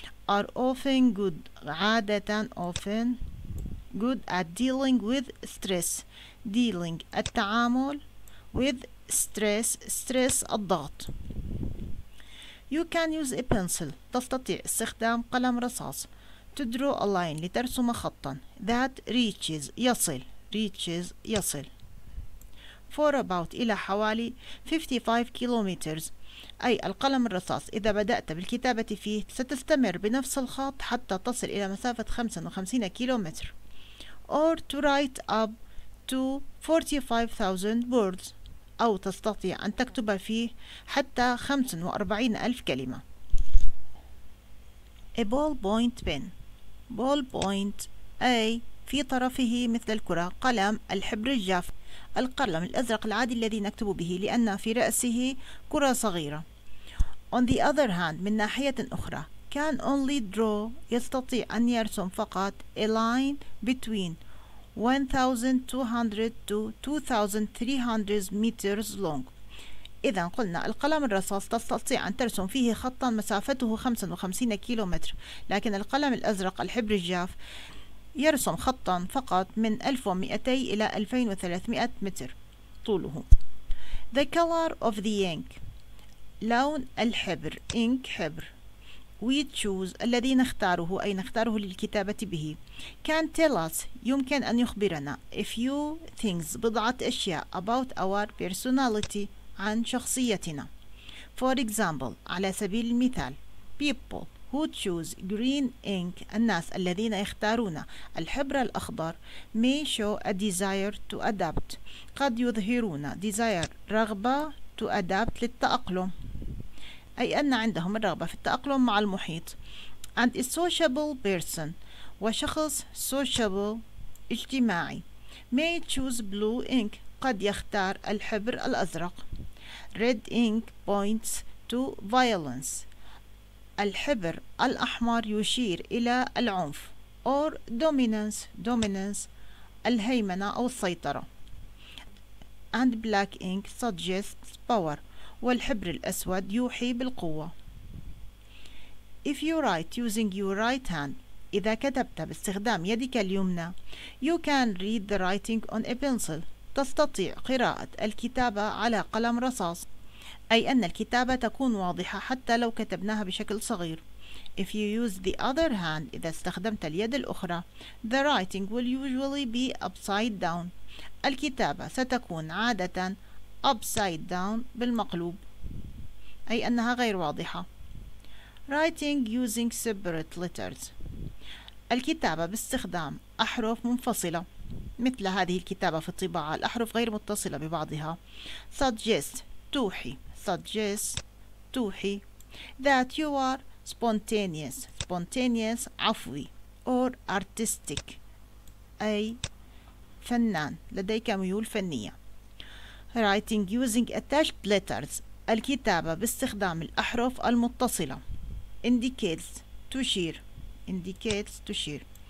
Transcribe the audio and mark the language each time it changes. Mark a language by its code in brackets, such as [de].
[en] Are often good, [ar] عادة [en] often good at dealing with stress. Dealing [ar] التعامل [en] with stress, stress [ar] الضغط. [en] You can use a pencil, [ar] تستطيع استخدام قلم رصاص. [en] To draw a line, [ar] لترسم خطا. [en] That reaches, [ar] يصل. [en] Reaches, [ar] يصل. [en] For about, [ar] إلى حوالي 55 كيلومترز, أي القلم الرصاص إذا بدأت بالكتابة فيه ستستمر بنفس الخط حتى تصل إلى مسافة 55 كيلومتر. [en] Or to write up to 45,000 words, [ar] أو تستطيع أن تكتب فيه حتى 45,000 كلمة. [en] A ballpoint pen, ballpoint, [ar] أي في طرفه مثل الكرة, قلم الحبر الجاف, القلم الأزرق العادي الذي نكتب به لأن في رأسه كرة صغيرة. [en] On the other hand, [ar] من ناحية أخرى, [en] can only draw, [ar] يستطيع أن يرسم فقط [en] a line between 1200 to 2300 meters long. [ar] إذا قلنا القلم الرصاص تستطيع أن ترسم فيه خطا مسافته 55 كيلومتر, لكن القلم الأزرق الحبر الجاف يرسم خطا فقط من 1200 إلى 2300 متر طوله. [en] The color of the ink, [ar] لون الحبر, [en] ink [ar] حبر. [en] We choose, [ar] الذي نختاره, أي نختاره للكتابة به. [en] Can tell us, [ar] يمكن أن يخبرنا. [en] A few things, [ar] بضعة أشياء. [en] About our personality, [ar] عن شخصيتنا. [en] For example, [ar] على سبيل المثال. [en] People who choose green ink, [ar] الناس الذين يختارون الحبر الأخضر, [en] may show a desire to adapt, [ar] قد يظهرون [en] desire, [ar] رغبة, [en] to adapt, [ar] للتأقلم, أي أن عندهم الرغبة في التأقلم مع المحيط. [en] And a sociable person, [ar] وشخص [en] sociable, [ar] اجتماعي, [en] may choose blue ink, [ar] قد يختار الحبر الأزرق. [en] Red ink points to violence, [ar] الحبر الأحمر يشير إلى العنف. [en] Or dominance, dominance, [ar] الهيمنة أو السيطرة. [en] And black ink suggests power, [ar] والحبر الأسود يوحي بالقوة. [en] If you write using your right hand, [ar] إذا كتبت باستخدام يدك اليمنى, [en] you can read the writing on a pencil, [ar] تستطيع قراءة الكتابة على قلم رصاص, أي أن الكتابة تكون واضحة حتى لو كتبناها بشكل صغير. [en] If you use the other hand, [ar] إذا استخدمت اليد الأخرى, [en] the writing will usually be upside down, [ar] الكتابة ستكون عادة [en] upside down, [ar] بالمقلوب, أي أنها غير واضحة. [en] Writing using separate letters, [ar] الكتابة باستخدام أحرف منفصلة مثل هذه الكتابة في الطباعة, الأحرف غير متصلة ببعضها. [en] Suggest, [ar] توحي. [en] Suggest, [ar] توحي. [en] That you are spontaneous, spontaneous, [ar] عفوي. [en] Or artistic, [ar] أي فنان, لديك ميول فنية. [en] Writing using attached letters, [ar] الكتابة باستخدام الأحرف المتصلة. [en] Indicates, [ar] تشير. [en] Indicates, [ar] تشير.